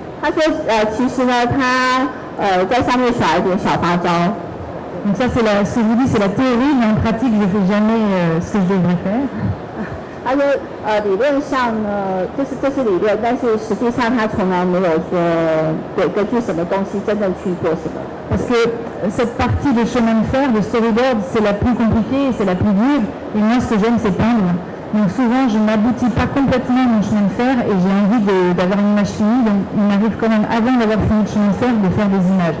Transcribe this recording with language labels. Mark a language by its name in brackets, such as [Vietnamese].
[French] Donc, ça, c'est la, ce que je vous dis, c'est la théorie, mais en pratique, je ne fais jamais ce que je devrais faire. [Chinese] 他说，理论上呢，这是理论，但是实际上他从来没有说，对，根据什么东西真正去做什么。 [French] Parce que cette partie de chemin de fer, de storyboard, c'est la plus compliquée, c'est la plus dure. Et moi, ce que j'aime, c'est peindre. Donc souvent, je n'aboutis pas complètement mon chemin de fer et j'ai envie de, d'avoir une image finie. Donc il m'arrive quand même, avant d'avoir fini le chemin de fer, de faire des images.